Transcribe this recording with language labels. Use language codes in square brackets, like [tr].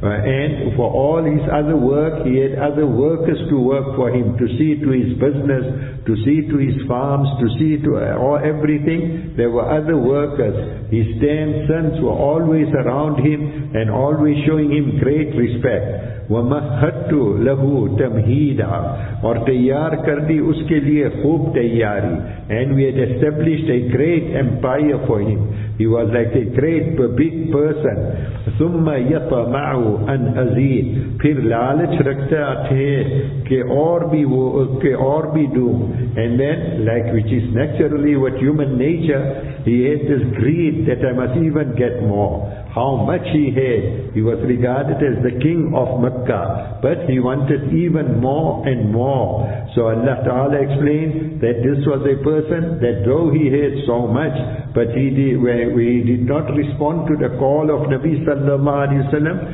[en] And for all his other work, he had other workers to work for him, to see to his business, to see to his farms, to see to everything. There were other workers. His 10 sons were always around him and always showing him great respect. [ar] وَمَحَّدْتُ لَهُ تَمْهِيدًا. [ur] اور تیار کر دی اس کے لئے خوب تیاری. [en] And we had established a great empire for him. He was like a great, big person. [ar] ثُمَّ يَطَمَعُ أَنْ أَزِيدْ. [ur] پھر لالچ رکھتا تھے کہ اور بھی دوں. [en] And then, like which is naturally what human nature, he had this greed that I must even get more. How much he had. He was regarded as the king of Mecca. But he wanted even more and more. So Allah Ta'ala explained that this was a person that though he had so much, but he did not respond to the call of Nabi sallallahu alaihi wasallam.